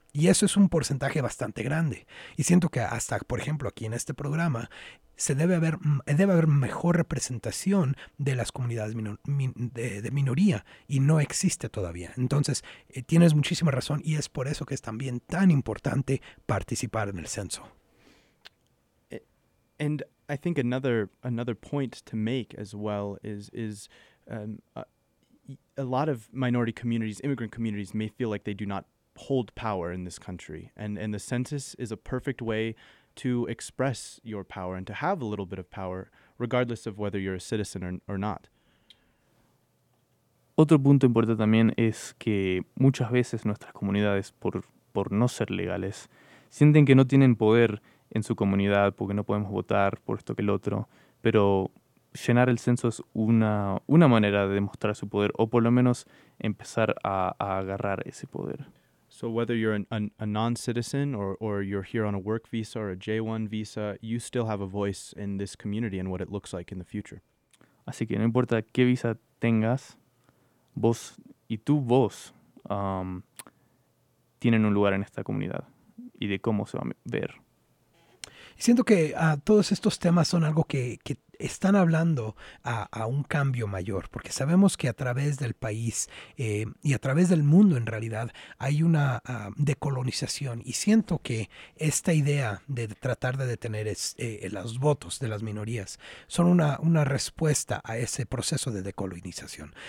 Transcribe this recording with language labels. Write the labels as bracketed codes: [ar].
[es] Y eso es un porcentaje bastante grande. Y siento que hasta, por ejemplo, aquí en este programa, debe haber mejor representación de las comunidades de minoría, y no existe todavía. Entonces, tienes muchísima razón, y es por eso que es también tan importante participar en el censo. [en] And I think another point to make as well is a lot of minority communities, immigrant communities, may feel like they do not hold power in this country, and the census is a perfect way to express your power and to have a little bit of power, regardless of whether you're a citizen or not. [es] Otro punto importante también es que muchas veces nuestras comunidades, por no ser legales, sienten que no tienen poder en su comunidad porque no podemos votar por esto que el otro, pero llenar el censo es una manera de demostrar su poder, o por lo menos empezar a agarrar ese poder. [en] So whether you're a non-citizen or you're here on a work visa or a J-1 visa, you still have a voice in this community and what it looks like in the future. [es] Así que no importa qué visa tengas, vos y tu voz tienen un lugar en esta comunidad y de cómo se va a ver. Siento que todos estos temas son algo que están hablando a un cambio mayor, porque sabemos que a través del país y a través del mundo en realidad hay una decolonización, y siento que esta idea de tratar de detener los votos de las minorías son una respuesta a ese proceso de decolonización.